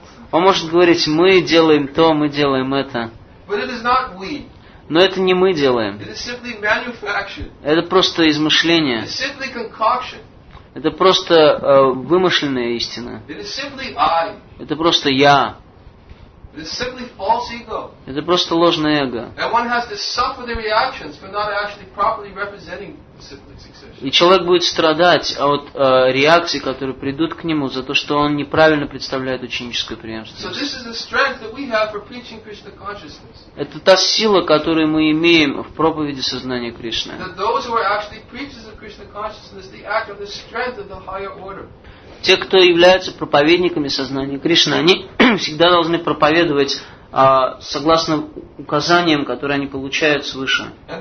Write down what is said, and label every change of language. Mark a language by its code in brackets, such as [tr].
[ru] Он может говорить, мы делаем то, мы делаем это. [en] But it is not we. [ru] Но это не мы делаем. [en] It is simply manufactured. [ru] Это просто измышление. [en] It is simply concoction. [ru] Это просто вымышленная истина. [en] It is simply I. [ru] Это просто я. [en] It is simply false ego. [ru] Это просто ложное эго. [en] And one has to suffer the reactions for not actually properly representing the disciplic succession. [ru] И человек будет страдать от реакций, которые придут к нему за то, что он неправильно представляет ученическую преемственность. [en] So this is the strength that we have for preaching Krishna consciousness. [ru] Это та сила, которую мы имеем в проповеди сознания Кришны. [en] That those who are actually preachers of Krishna consciousness, they act on the strength of the higher order. [ru] Те, кто являются проповедниками сознания Кришны, они всегда должны проповедовать согласно указаниям, которые они получают свыше.